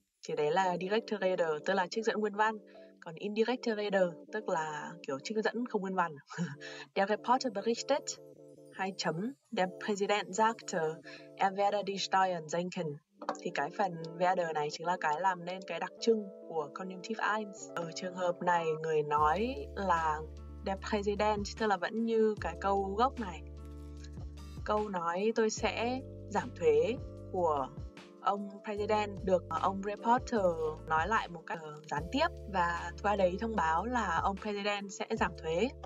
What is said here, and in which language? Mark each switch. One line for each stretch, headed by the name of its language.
Vietnamese: Thì đấy là Direktorator, tức là trích dẫn nguyên văn. Còn Indirektorator, tức là kiểu trích dẫn không nguyên văn.
German: Der Reporter berichtet,
Vietnamese: hai chấm,
German: der Präsident sagte, er werde die Steuern senken.
Vietnamese: Thì cái phần werde này chính là cái làm nên cái đặc trưng của Konjunktiv 1. Ở trường hợp này, người nói là der Präsident, tức là vẫn như cái câu gốc này. Câu nói tôi sẽ giảm thuế của ông President được ông reporter nói lại một cách gián tiếp, và qua đấy thông báo là ông President sẽ giảm thuế.